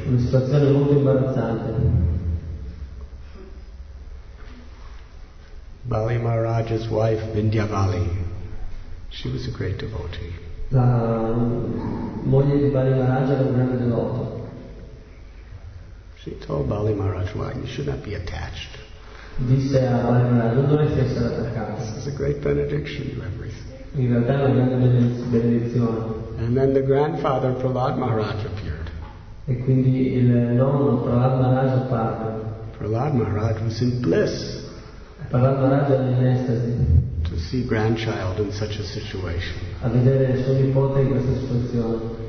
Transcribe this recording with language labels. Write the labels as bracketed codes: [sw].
[it] Una situazione molto imbarazzante. [en] Bali Maharaj's wife, Vindhyavali, she was a great devotee. [it] La moglie di Bali Maharaj era un grande devoto. [en] She told Bali Maharaj, "Why you should not be attached." [it] Disse a Bali Maharaj, non dovresti essere attaccato. [en] This is a great benediction, you have reason. [it] In realtà è una grande benedizione. [en] And then the grandfather Prahlad Maharaj appeared. [it] E quindi il nonno Prahlad Maharaj apparve. [en] Prahlad Maharaj was in bliss. [it] parlando a Raja nell'estasi, [en] to see grandchild in such a situation, [it] a vedere suo nipote in questa situazione,